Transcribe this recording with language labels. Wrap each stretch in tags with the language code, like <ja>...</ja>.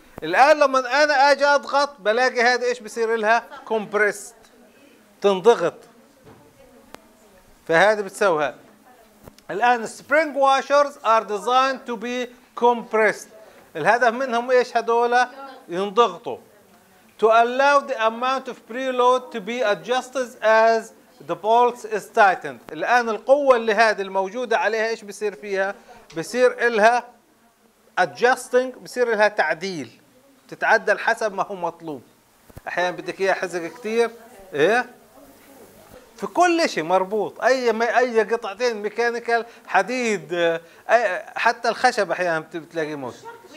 <ar>الان لما انا اجي اضغط بلاقي هذا ايش بصير لها؟ كومبريست، تنضغط. فهذا بتسويها.</ar> <en>الان spring washers are designed to be compressed,</en> <ar>الهدف منهم ايش هذولا؟ ينضغطوا.</ar> <en>To allow the amount of preload to be adjusted as the bolts is tightened.</en> <ar>الان القوة اللي هذه الموجودة عليها ايش بصير فيها؟ بصير لها adjusting، بصير لها تعديل. تتعدل حسب ما هو مطلوب. احيانا بدك اياها حزق كثير، ايه؟ في كل شيء مربوط، اي قطعتين ميكانيكال، حديد، أي حتى الخشب احيانا بتلاقيه موجود.</ar>